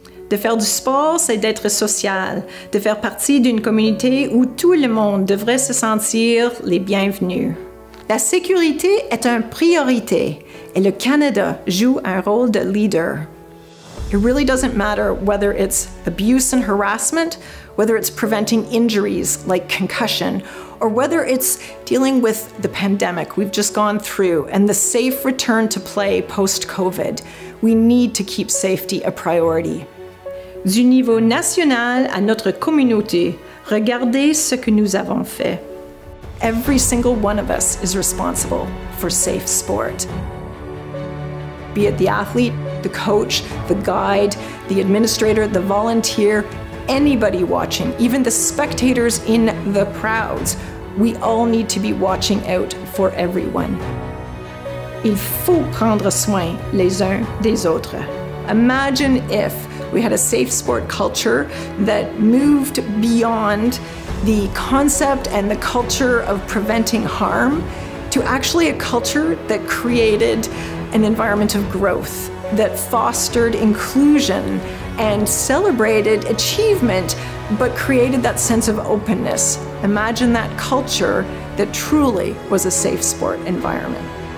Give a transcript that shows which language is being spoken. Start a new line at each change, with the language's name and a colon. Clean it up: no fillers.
French: De faire du sport, c'est d'être social, de faire partie d'une communauté où tout le monde devrait se sentir les bienvenus. La sécurité est une priorité et le Canada joue un rôle de leader.
English: It really doesn't matter whether it's abuse and harassment, whether it's preventing injuries like concussion, or whether it's dealing with the pandemic we've just gone through and the safe return to play post-COVID. We need to keep safety a priority.
French: Du niveau national à notre communauté, regardez ce que nous avons fait.
English: Every single one of us is responsible for safe sport. Be it the athlete, the coach, the guide, the administrator, the volunteer, anybody watching, even the spectators in the crowds, we all need to be watching out for everyone.
French: Il faut prendre soin les uns des autres.
English: Imagine if we had a safe sport culture that moved beyond the concept and the culture of preventing harm to actually a culture that created an environment of growth, that fostered inclusion and celebrated achievement, but created that sense of openness. Imagine that culture that truly was a safe sport environment.